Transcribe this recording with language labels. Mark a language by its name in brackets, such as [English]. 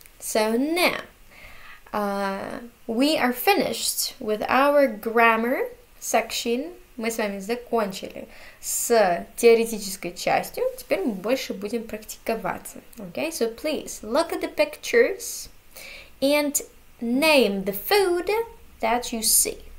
[English] So now, we are finished with our grammar section. [Russian] Мы с вами закончили с теоретической частью. Теперь мы больше будем практиковаться. [English] Okay, so please, look at the pictures and name the food that you see.